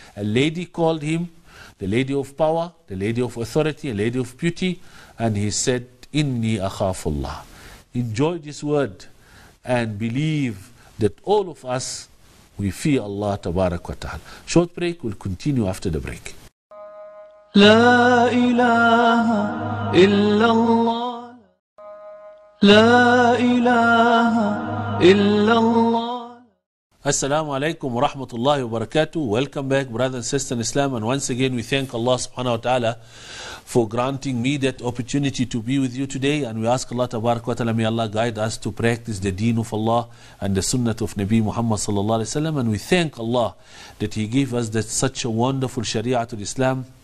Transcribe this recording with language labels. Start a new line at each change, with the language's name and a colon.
English: A lady called him, the lady of power, the lady of authority, a lady of beauty. And he said,
Arabic: inni akhafullah.
English: Enjoy this word and believe that all of us, we fear Allah tabarak wa ta'ala. Short break, we'll continue after the break.
Arabic: لا إله إلا الله لا إله إلا الله. السلام عليكم ورحمة الله وبركاته.
English: Welcome back, brother and sister in Islam, and once again we thank Allah subhanahu wa ta'ala for granting me that opportunity to be with you today. And we ask Allah tabarak wa ta'ala, may Allah guide us to practice the deen of Allah and the sunnah of Nabi Muhammad sallallahu alayhi wa sallam. And we thank Allah that he gave us that such a wonderful Sharia to Islam,